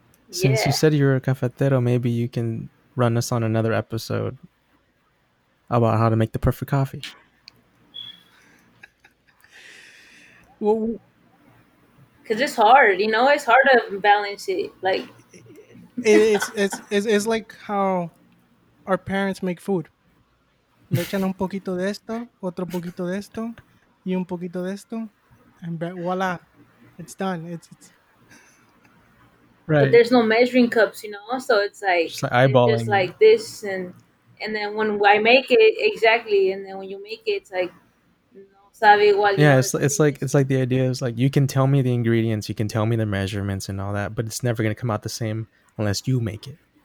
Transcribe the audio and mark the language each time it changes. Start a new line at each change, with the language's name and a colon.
English: Since you said you're a cafetero, maybe you can run us on another episode about how to make the perfect coffee. Well, because it's hard, you know, it's hard to balance it. Like it's like how our parents make food.
Spanish: Le echan un poquito de esto, otro poquito de esto, y un poquito de esto,
English: and voila, it's done. It's right. But there's no measuring cups, you know. So it's like just like eyeballing, just like this, and then when I make it exactly, and then when you make it, it's like,
Spanish: no sabe igual.
English: Yeah, it's like the idea is like you can tell me the ingredients, you can tell me the measurements and all that, but it's never gonna come out the same unless you make it.